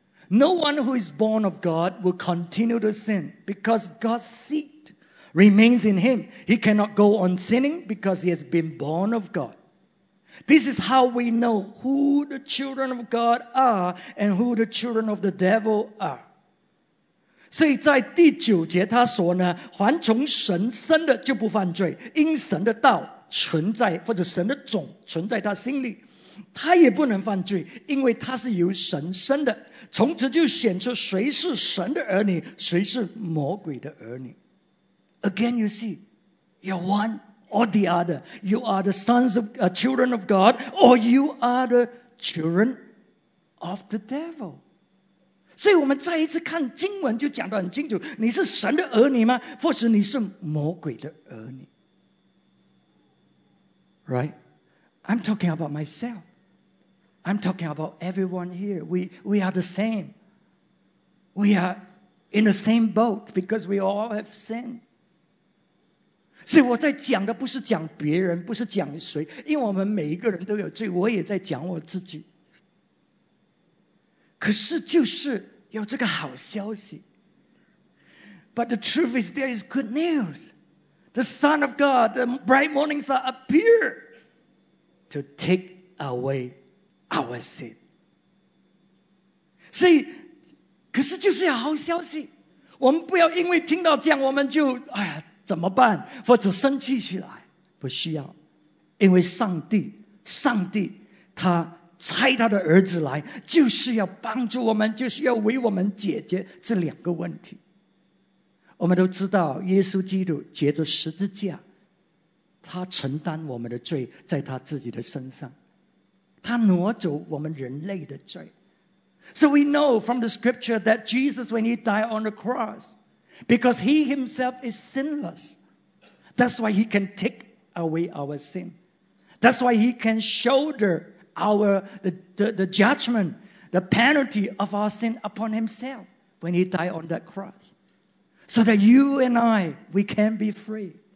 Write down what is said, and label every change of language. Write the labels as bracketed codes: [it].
[en] No one who is born of God will continue to sin because God's seed remains in him. He cannot go on sinning because he has been born of God. This is how we know who the children of God are and who the children of the devil are. [zh] 所以在第九节他说呢, 凡从神生的就不犯罪, 因神的道存在, 或者神的种存在他心里, 他也不能犯罪, 因为他是由神生的, 从此就显出谁是神的儿女, 谁是魔鬼的儿女。 [en] Again, you see, you're one. Or the other, you are the sons of children of God, or you are the children of the devil. [zh] 所以我们再一次看经文就讲得很清楚, 你是神的儿女吗? 或是你是魔鬼的儿女? [en] Right? I'm talking about myself. I'm talking about everyone here. We are the same. We are in the same boat because we all have sinned. [zh] 所以我在讲的不是讲别人，不是讲谁，因为我们每一个人都有罪，我也在讲我自己。可是就是有这个好消息。 [en] But the truth is there is good news. The Son of God, the bright morning star appear to take away our sin. [zh] 所以可是就是有好消息，我们不要因为听到这样我们就哎呀怎么办或者生气起来，不需要，因为上帝他差他的儿子来就是要帮助我们，就是要为我们解决这两个问题。我们都知道耶稣基督借着十字架他承担我们的罪在他自己的身上，他挪走我们人类的罪。 [en] So we know from the scripture that Jesus when he died on the cross because he himself is sinless, that's why he can take away our sin, that's why he can shoulder the judgment, the penalty of our sin upon himself when he died on that cross, so that you and I, we can be free.